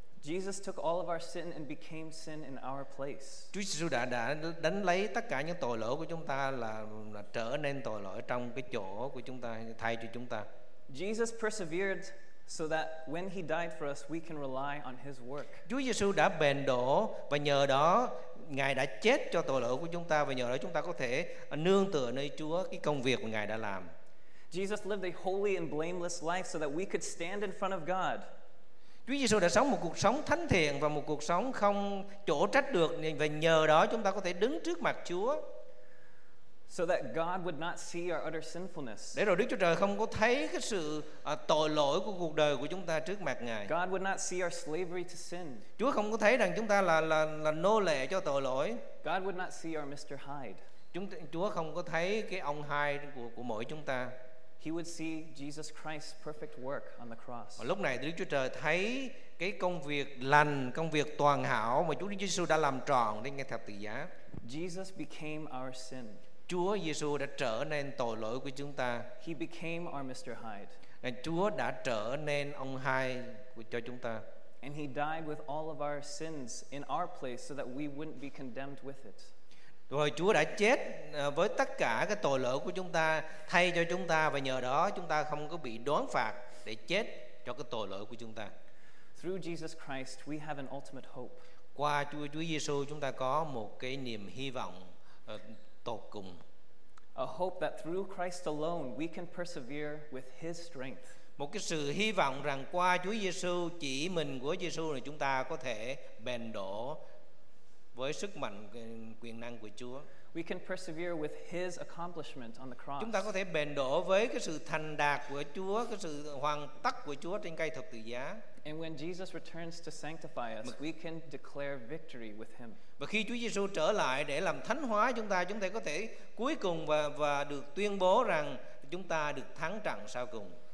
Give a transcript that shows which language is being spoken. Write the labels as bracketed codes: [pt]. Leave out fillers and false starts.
[en] Jesus took all of our sin and became sin in our place. [vi] Chúa Giêsu đã đánh lấy tất cả những tội lỗi của chúng ta là trở nên tội lỗi trong cái chỗ của chúng ta thay cho chúng ta. [en] Jesus persevered so that when he died for us, we can rely on his work. [vi] Chúa Giêsu đã bền đổ và nhờ đó Ngài đã chết cho tội lỗi của chúng ta và nhờ đó chúng ta có thể nương tựa nơi Chúa cái công việc mà Ngài đã làm. [en] Jesus lived a holy and blameless life so that we could stand in front of God. [vi] Chúa Giêsu đã sống một cuộc sống thánh thiện và một cuộc sống không chỗ trách được và nhờ đó chúng ta có thể đứng trước mặt Chúa. [en] So that God would not see our utter sinfulness. [vi] Để rồi Đức Chúa Trời không có thấy cái sự tội lỗi của cuộc đời của chúng ta trước mặt Ngài. [en] God would not see our slavery to sin. [vi] Chúa không có thấy rằng chúng ta là nô lệ cho tội lỗi. [en] God would not see our Mr. Hyde. [vi] Chúa không có thấy cái ông Hyde của mỗi chúng ta. [en] He would see Jesus Christ's perfect work on the cross. [vi] Lúc này Đức Chúa Trời thấy cái công việc lành, công việc toàn hảo mà Chúa Giêsu đã làm trọn trên cái thập tự giá. [en] Jesus became our sin. [vi] Chúa Giêsu đã trở nên tội lỗi của chúng ta. [en] He became our Mr. Hyde. [vi] Chúa đã trở nên ông Hyde cho chúng ta. [en] And he died with all of our sins in our place so that we wouldn't be condemned with it. [vi] Rồi Chúa đã chết với tất cả cái tội lỗi của chúng ta thay cho chúng ta và nhờ đó chúng ta không có bị đoán phạt để chết cho cái tội lỗi của chúng ta. [en] Through Jesus Christ, we have an ultimate hope. [vi] Qua Chúa Giêsu chúng ta có một cái niềm hy vọng tột cùng. [en] A hope that through Christ alone we can persevere with his strength. [vi] Một cái sự hy vọng rằng qua Chúa Giêsu, chỉ mình của Giêsu là chúng ta có thể bền đổ với sức mạnh quyền năng của Chúa. [en] We can persevere with his accomplishment on the cross. [vi] Chúng ta có thể bền đổ với cái sự thành đạt của Chúa, cái sự hoàn tất của Chúa trên cây thập tự giá. [en] And when Jesus returns to sanctify us, we can declare victory with him. [vi] Và khi Chúa Giêsu trở lại để làm thánh hóa chúng ta có thể cuối cùng và được tuyên bố rằng chúng ta được thắng trận sau cùng.